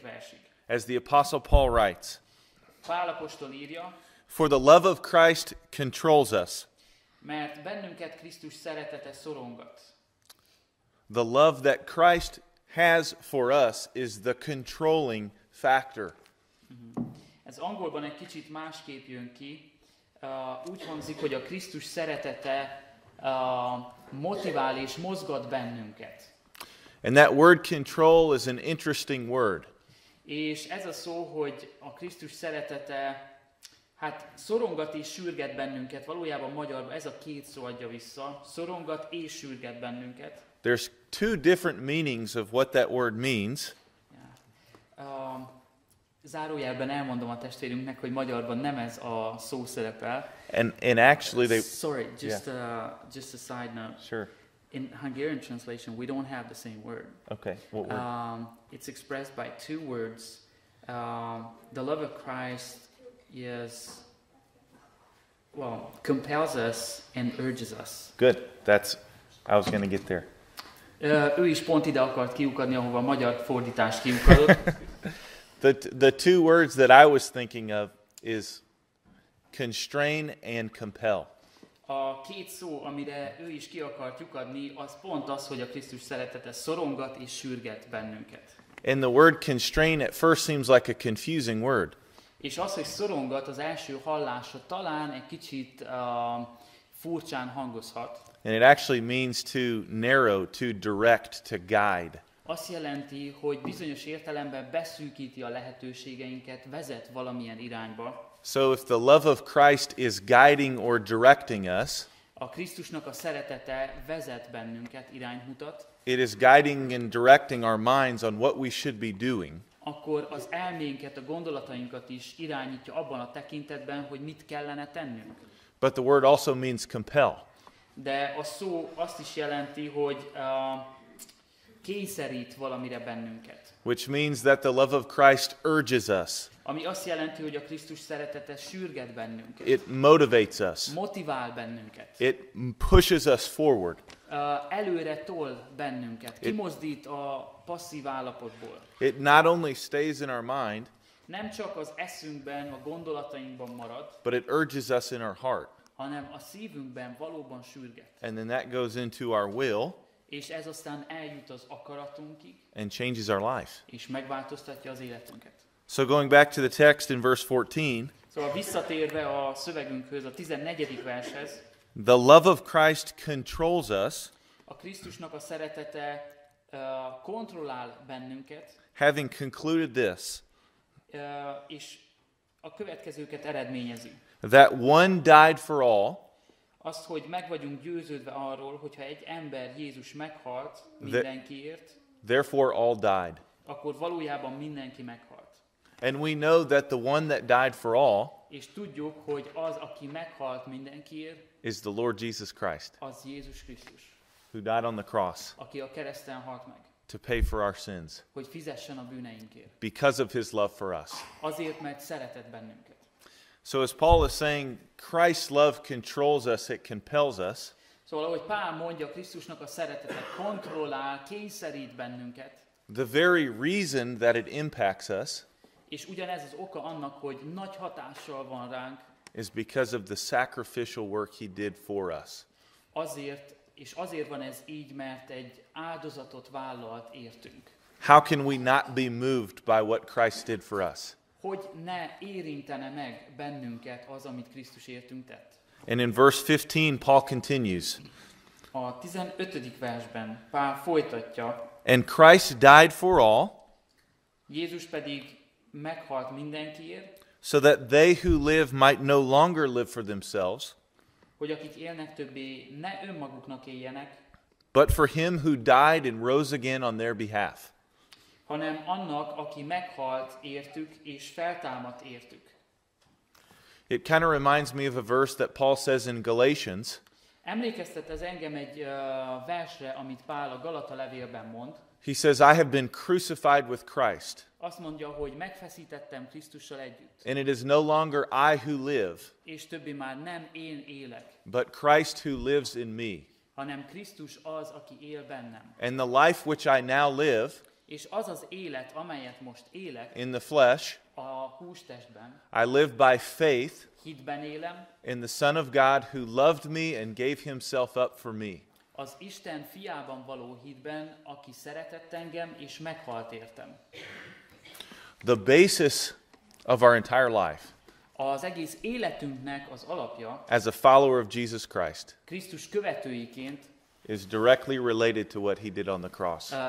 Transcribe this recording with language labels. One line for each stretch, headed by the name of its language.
Hungarian: versig.
English: As the Apostle Paul writes,
Hungarian: Pál apostol írja,
English: for the love of Christ controls us.
Hungarian: Mert bennünket Krisztus szeretete szorongat.
English: The love that Christ has for us is the controlling factor.
Hungarian: Ez angolban egy kicsit másképp jön ki. Úgy hangzik, hogy a Krisztus szeretete motivál és mozgat bennünket.
English: And that word control is an interesting word.
Hungarian: És ez a szó, hogy a Krisztus szeretete, hát szorongat és sürget bennünket, valójában magyarban ez a két szó adja vissza, szorongat és sürget bennünket.
English: There's two different meanings of what that word means.
Hungarian: Zárójelben elmondom a testvérünknek, hogy magyarban nem ez a szó szerepel.
English: And actually they... Sorry, just, yeah. Just a side note. Sure. In Hungarian translation, we don't have the same word. Okay, what word? It's expressed by two words. The love of Christ is, well, compels us and urges us. Good. That's, I was going to get there.
Hungarian: Ő is pont ide akart kiukadni, ahova a magyar fordítás kiukadott.
English: The two words that I was thinking of is constrain and compel.
Hungarian: A két szó, amire ő is ki akart lyukadni, az pont az, hogy a Krisztus szeretete szorongat és sürget bennünket.
English: And the word constrain at first seems like a confusing word.
Hungarian: És az, hogy szorongat az első hallásra talán egy kicsit furcsán hangozhat.
English: And it actually means to narrow, to direct, to guide.
Hungarian: Azt jelenti, hogy bizonyos értelemben beszűkíti a lehetőségeinket, vezet valamilyen irányba.
English: So if the love of Christ is guiding or directing us,
Hungarian: a Krisztusnak a szeretete vezet bennünket, iránymutat.
English: It is guiding and directing our minds on what we should be doing.
Hungarian: Akkor az elménket, a gondolatainkat is irányítja abban a tekintetben, hogy mit kellene tennünk.
English: But the word also means compel.
Hungarian: De a szó azt is jelenti, hogy kényszerít valamire bennünket.
English: Which means that the love of Christ urges us.
Hungarian: Ami azt jelenti, hogy a Krisztus szeretete sürget bennünket.
English: It motivates us.
Hungarian: Motivál bennünket.
English: It pushes us forward.
Hungarian: Előre tol bennünket. Kimozdít a passzív állapotból.
English: It not only stays in our mind.
Hungarian: Nem csak az eszünkben, a gondolatainkban marad.
English: But it urges us in our heart.
Hungarian: Hanem a szívünkben valóban sürget.
English: And then that goes into our will.
Hungarian: És ez aztán eljut az akaratunkig.
English: And changes our life.
Hungarian: És megváltoztatja az életünket.
English: So going back to the text in verse 14.
Hungarian: Szóval visszatérve a szövegünkhöz, a 14. vershez.
English: The love of Christ controls us.
Hungarian: A Krisztusnak a szeretete kontrollál bennünket.
English: Having concluded this.
Hungarian: És a következőket eredményezi.
English: That one died for all.
Hungarian: Azt, hogy meg vagyunk győződve arról, hogyha egy ember Jézus meghalt mindenkiért.
English: Therefore all died.
Hungarian: Akkor valójában mindenki meghalt.
English: And we know that the one that died for all,
Hungarian: és tudjuk, hogy az, aki meghalt mindenkiért,
English: is the Lord Jesus Christ.
Hungarian: Az Jézus Krisztus.
English: Who died on the cross.
Hungarian: Aki a kereszten halt meg.
English: To pay for our sins.
Hungarian: Hogy fizessen a bűneinkért.
English: Because of his love for us.
Hungarian: Azért, mert szeretett bennünket.
English: So as Paul is saying, Christ's love controls us, it compels us.
Hungarian: Szóval, ahogy Pál mondja, Krisztusnak a szeretete kontrollál, kényszerít bennünket.
English: The very reason that it impacts us.
Hungarian: És ugyanez az oka annak, hogy nagy hatással van ránk.
English: Is because of the sacrificial work he did for us.
Hungarian: Azért, és azért van ez így, mert egy áldozatot vállalt értünk.
English: How can we not be moved by what Christ did for us?
Hungarian: Hogy ne érintene meg bennünket az, amit Krisztus értünk tett.
English: And in verse 15, Paul continues.
Hungarian: A 15. versben Pál folytatja.
English: And Christ died for all.
Hungarian: Jézus pedig meghalt mindenkiért.
English: So that they who live might no longer live for themselves.
Hungarian: Hogy akik élnek többé, ne önmaguknak éljenek.
English: But for him who died and rose again on their behalf.
Hungarian: Hanem annak, aki meghalt értük és feltámadt értük.
English: It kind of reminds me of a verse that Paul says in Galatians.
Hungarian: Emlékeztet ez engem egy versre, amit Pál a Galata levélben mond.
English: He says, I have been crucified with Christ.
Hungarian: Azt mondja, hogy megfeszítettem Krisztussal együtt.
English: And it is no longer I who live.
Hungarian: És többi már nem én élek.
English: But Christ who lives in me.
Hungarian: Hanem Krisztus az, aki él bennem.
English: And the life which I now live.
Hungarian: És az az élet, amelyet most élek.
English: In the flesh.
Hungarian: A hústestben.
English: I live by faith.
Hungarian: Hitben élem.
English: In the Son of God who loved me and gave himself up for me.
Hungarian: Az Isten fiában való hitben, aki szeretett engem és meghalt értem.
English: The basis of our entire life.
Hungarian: Az egész életünknek az alapja.
English: As a follower of Jesus Christ.
Hungarian: Krisztus követőiként.
English: Is directly related to what he did on the cross.